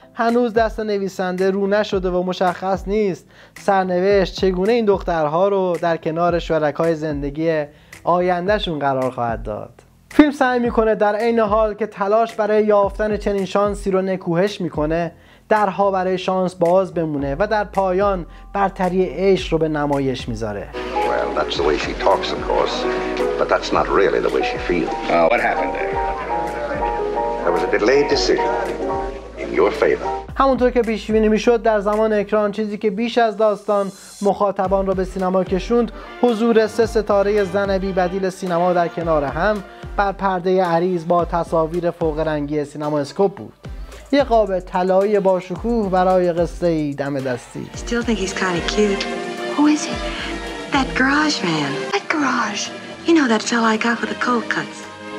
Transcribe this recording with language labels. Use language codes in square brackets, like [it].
[fa] هنوز دست نویسنده رو نشده و مشخص نیست سرنوشت چگونه این دخترها رو در کنار شرکای زندگی آیندهشون قرار خواهد داد. فیلم سعی میکنه در این حال که تلاش برای یافتن چنین شانسی رو نکوهش میکنه درها برای شانس باز بمونه و در پایان برتری عشق رو به نمایش میذاره. [en] Well, that's the way she talks, of course, but that's not really the way she feels. What happened there? There was a delayed decision in your favor. [fa] همونطور که پیش‌بینی میشد در زمان اکران چیزی که بیش از داستان مخاطبان را به سینما کشوند حضور سه ستاره زن بی بدیل سینما در کنار هم بر پرده عریض با تصاویر فوق رنگی سینما اسکوپ بود. یه قاب طلایی با شکوه برای قصه ای دم دستی. [en] Still think he's kind of cute. Who is he? That garage man. That garage. You know that fella I got with the cold cuts.